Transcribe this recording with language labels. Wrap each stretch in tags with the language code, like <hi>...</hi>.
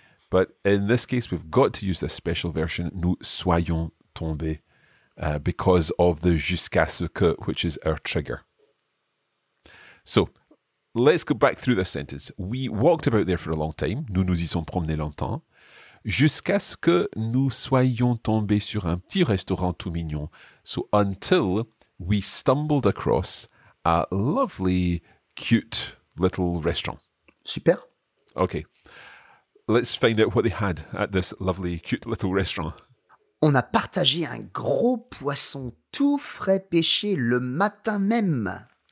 <en>But in this case, we've got to use the special version,</en> <fr>nous soyons tombés,</fr> <en>because of the</en> <fr>jusqu'à ce que,</fr> <en>which is our trigger. So let's go back through the sentence. We walked about there for a long time.</en> <fr>Nous nous y sommes promenés longtemps. Jusqu'à ce que nous soyons tombés sur un petit restaurant tout mignon.</fr> <en>So until we stumbled across a lovely, cute little restaurant. Super. Okay. Let's find out what they had at this lovely, cute little restaurant.</en> <fr>On a partagé un gros poisson tout frais pêché le matin même.</fr>